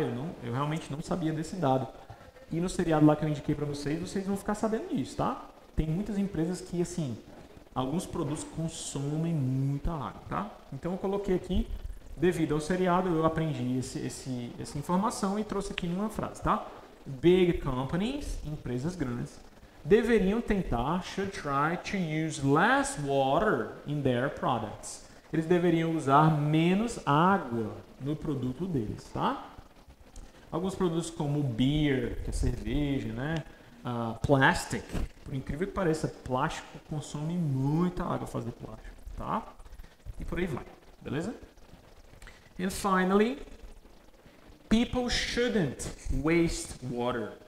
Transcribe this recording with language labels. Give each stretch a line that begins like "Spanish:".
Portuguese: Eu realmente não sabia desse dado. E no seriado lá que eu indiquei para vocês, vocês vão ficar sabendo disso, tá? Tem muitas empresas que, assim, alguns produtos consomem muita água, tá? Então eu coloquei aqui, devido ao seriado, eu aprendi essa informação e trouxe aqui numa frase, tá?
English: Big companies,
Portuguese: empresas grandes, deveriam tentar,
English: should try to use less water in their products.
Portuguese: Eles deveriam usar menos água no produto deles, tá? Alguns produtos como beer, que é cerveja, né? Plastic, por incrível que pareça, plástico consome muita água fazer plástico, tá? E por aí vai, beleza?
English: And finally, people shouldn't waste water.